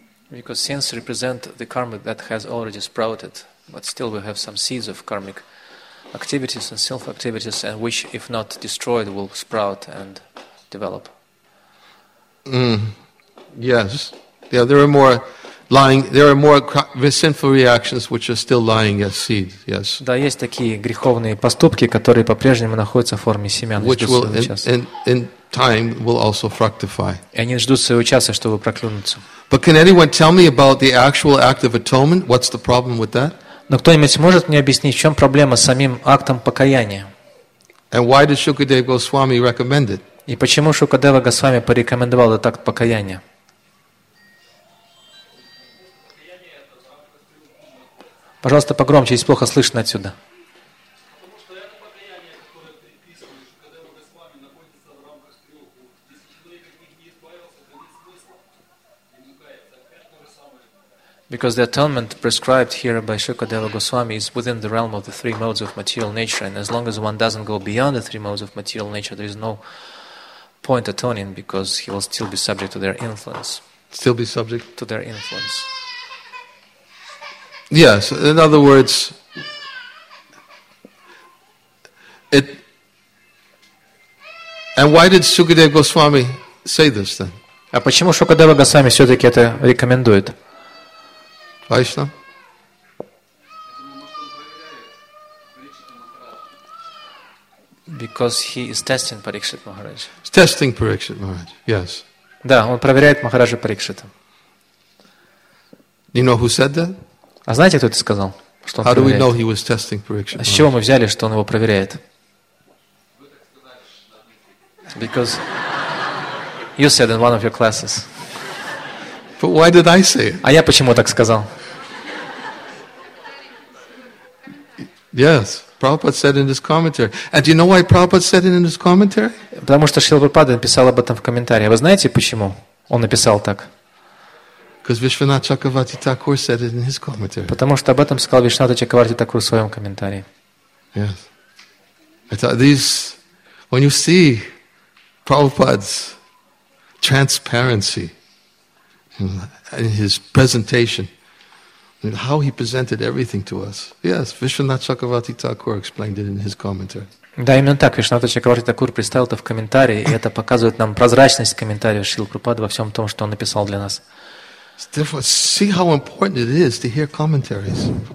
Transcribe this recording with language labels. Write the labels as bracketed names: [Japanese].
[English] Because sins represent the karma that has already sprouted, but still we have some seeds of karmic activities and self-activities, and which, if not destroyed, will sprout and develop. Yes. Yeah. There are more lying. There are more sinful reactions which are still lying as seeds. Yes. [Russian] Да, есть такие греховные поступки, которые по-прежнему находятся в форме семян. [English] Which will in time will also fructify. [Russian] И они ждут своего часа, чтобы проклюнуться. [English] But can anyone tell me about the actual act of atonement? What's the problem with that? [Russian] Но кто-нибудь может мне объяснить, в чем проблема с самим актом покаяния? [English] And why did Shukadeva Goswami recommend it? [Russian] И почему Шукадева Госвами порекомендовал этот акт покаяния? Пожалуйста, погромче, если плохо слышно отсюда. [English] Because the atonement prescribed here by Shukadeva Goswami is within the realm of the three modes of material nature, and as long as one doesn't go beyond the three modes of material nature, there is no point atoning because he will still be subject to their influence. Still be subject to their influence. Yes. In other words, it. And why did Shukadeva Goswami say this then? [Russian] А почему Шукадева Госвами все-таки это рекомендует? [English] Vaishnav? Because he is testing Parikshit Maharaj. He's testing Parikshit Maharaj, yes. Да, он проверяет Махараджа Парикшита. You know who said that? [Russian] А знаете, кто это сказал? Что он [English] How [Russian] проверяет? [English] Do we know he was testing Parikshit [Russian] Maharaj? А с чего мы взяли, что он его проверяет? [English] Because you said in one of your classes. But why did I say it? [Russian] А я почему так сказал? [English] Yes, Prabhupada said in his commentary. And do you know why Prabhupada said it in his commentary? [Russian] Потому что Шрила Прабхупада написал об этом в комментарии. Вы знаете почему он написал так? [English] Because Vishwanath Chakravarti Thakur said it in his commentary. [Russian] Потому что об этом сказал Вишванат Чакраварти Такур в своем комментарии. [English] Yes. When you see Prabhupada's transparency in his presentation. How he presented everything to us. Yes, Vishwanath Chakravarti Thakur explained it in his commentary. [Russian] Да, именно так. Вишванат Чакраварти Такур представил это в комментарии, и это показывает нам прозрачность комментария Шрилы Прабхупады во всем том, что он написал для нас. [English] Therefore, see how important it is to hear commentaries.